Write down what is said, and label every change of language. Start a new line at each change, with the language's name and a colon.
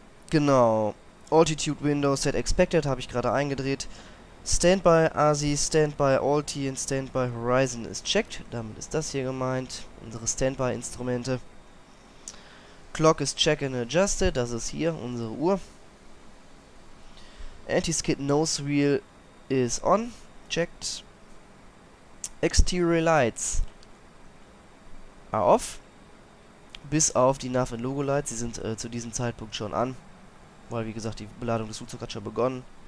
German: Genau.
English: Altitude Window Set Expected
German: habe ich gerade eingedreht.
English: Standby ASI, Standby Alti und Standby Horizon ist checked.
German: Damit ist das hier gemeint. Unsere Standby-Instrumente.
English: Clock is check and adjusted,
German: das ist hier unsere Uhr.
English: Anti-Skid Nose Wheel is on, checked. Exterior Lights are off,
German: bis auf die
English: Nav and Logo Lights,
German: die sind zu diesem Zeitpunkt schon an, weil, wie gesagt, die Beladung des Flugzeugs hat schon begonnen.